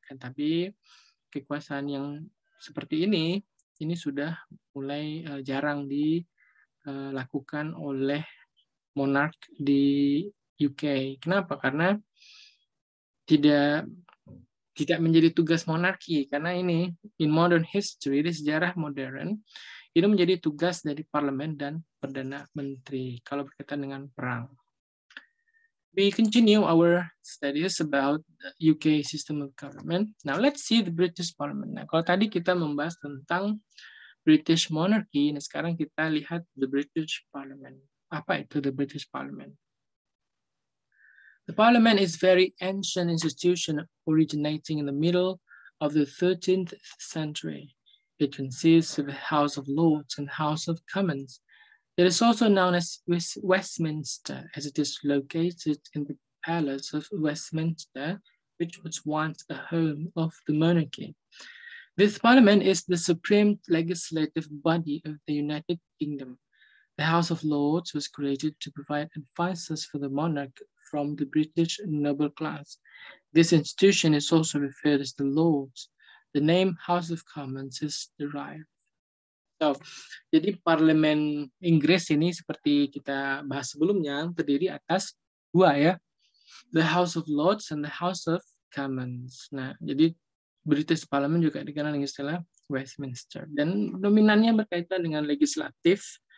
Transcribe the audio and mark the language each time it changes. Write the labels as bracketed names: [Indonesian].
[Indonesian] Tapi kekuasaan yang seperti ini sudah mulai jarang dilakukan oleh monark di UK. Kenapa? Karena tidak menjadi tugas monarki. Karena ini, [English] in modern history, [Indonesian] di sejarah modern, ini menjadi tugas dari parlemen dan perdana menteri kalau berkaitan dengan perang. [English] We continue our studies about UK system of government. Now let's see the British Parliament. [Indonesian] Nah, kalau tadi kita membahas tentang British monarchy, nah sekarang kita lihat the British Parliament. Apa itu the British Parliament? [English] The Parliament is very ancient institution originating in the middle of the 13th century. It consists of the House of Lords and House of Commons. It is also known as Westminster, as it is located in the Palace of Westminster, which was once a home of the monarchy. This Parliament is the supreme legislative body of the United Kingdom. The House of Lords was created to provide advices for the monarch from the British noble class. This institution is also referred as the Lords. The name House of Commons is derived. [Indonesian] So, jadi Parlemen Inggris ini seperti kita bahas sebelumnya terdiri atas dua ya, the House of Lords and the House of Commons. Nah, jadi British Parliament juga dikenal dengan istilah Westminster dan dominannya berkaitan dengan legislatif.